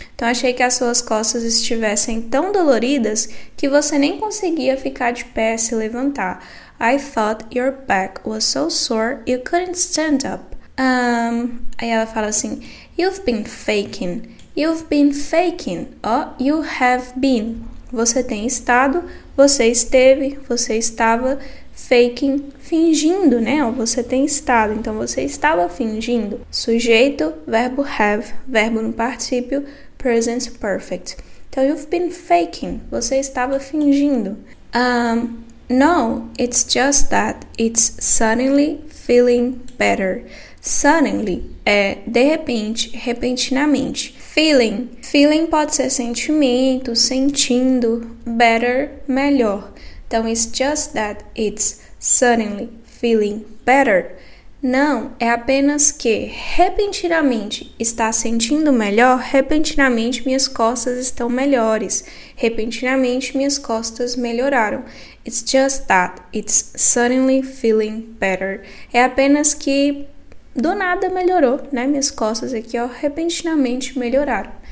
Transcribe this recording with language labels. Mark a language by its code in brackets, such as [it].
[pt] Então, achei que as suas costas estivessem tão doloridas que você nem conseguia ficar de pé, se levantar. [en] I thought your back was so sore you couldn't stand up. [pt] Aí ela fala assim, [en] you've been faking, you've been faking, oh, you have been. [pt] Você tem estado, você esteve, você estava faking, fingindo, né? Ou você tem estado, então você estava fingindo. Sujeito, verbo have, verbo no particípio, present perfect. Então, [en] you've been faking, [pt] você estava fingindo. [en] No, it's just that it's suddenly feeling better. [pt] Suddenly é de repente, repentinamente. Feeling, feeling pode ser sentimento, sentindo. Better, melhor. Então, [en] it's just that it's suddenly feeling better. [pt] Não, é apenas que repentinamente está sentindo melhor. Repentinamente minhas costas estão melhores. Repentinamente minhas costas melhoraram. [en] It's just that it's suddenly feeling better. [pt] É apenas que do nada melhorou, né? Minhas costas aqui, ó, repentinamente melhoraram.